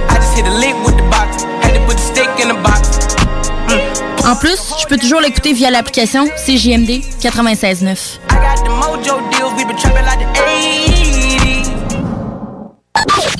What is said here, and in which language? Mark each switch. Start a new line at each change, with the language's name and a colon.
English: I just hit a link with the box, had to put the stick in the box.
French: En plus, tu peux toujours l'écouter via l'application CJMD 96.9.
English: I got the mojo deals, we been trapping like the 80.